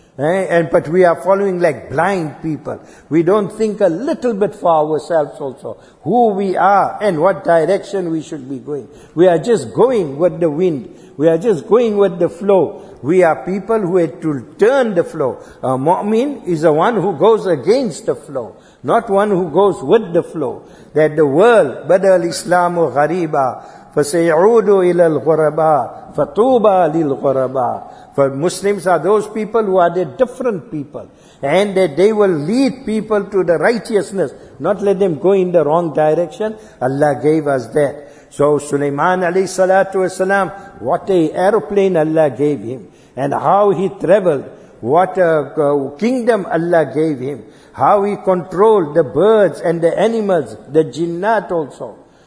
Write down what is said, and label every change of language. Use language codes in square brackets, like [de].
[en] But we are following like blind people. We don't think a little bit for ourselves also, who we are and what direction we should be going. We are just going with the wind. We are just going with the flow. We are people who had to turn the flow. A mu'min is the one who goes against the flow, not one who goes with the flow. That the world, [ar] بَدَى الْإِسْلَامُ غَرِيبًا فَسَيْعُودُ إِلَى الْغُرَبَى فَطُوبَى لِلْغُرَبَى. [en] For Muslims are those people who are the different people, and that they will lead people to the righteousness, not let them go in the wrong direction. Allah gave us that. So Sulaiman alayhi salatu wasalam, what a airplane Allah gave him, and how he traveled, what a kingdom Allah gave him, how he controlled the birds and the animals, the jinnat also.